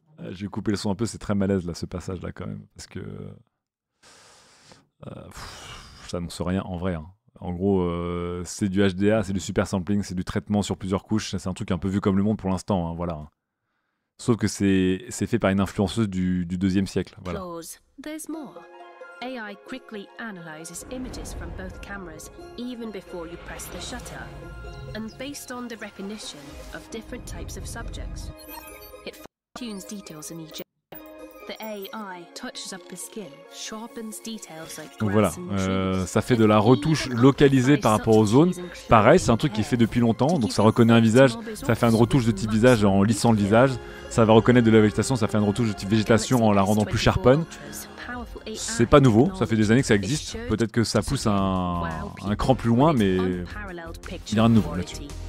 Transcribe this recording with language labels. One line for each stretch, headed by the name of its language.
French: J'ai coupé le son un peu, c'est très malaise là ce passage là quand même. Parce que. Ça n'annonce rien en vrai. Hein. En gros, c'est du HDA, c'est du super sampling, c'est du traitement sur plusieurs couches. C'est un truc un peu vu comme le monde pour l'instant. Hein, voilà. Sauf que c'est fait par une influenceuse du deuxième siècle.
English: Voilà. There's more. AI quickly analyzes images from both cameras even before you press the shutter. And based on the recognition of different types of subjects, it fine-tunes details in each. The AI touches up the skin, sharpens details like grass.
French: Voilà, ça fait de la retouche localisée par rapport aux zones. Pareil, c'est un truc qui est fait depuis longtemps, donc ça reconnaît un visage, ça fait une retouche de type visage en lissant le visage. Ça va reconnaître de la végétation, ça fait une retouche de type végétation en la rendant plus charpente. C'est pas nouveau, ça fait des années que ça existe. Peut-être que ça pousse un cran plus loin, mais il y a rien de nouveau là-dessus.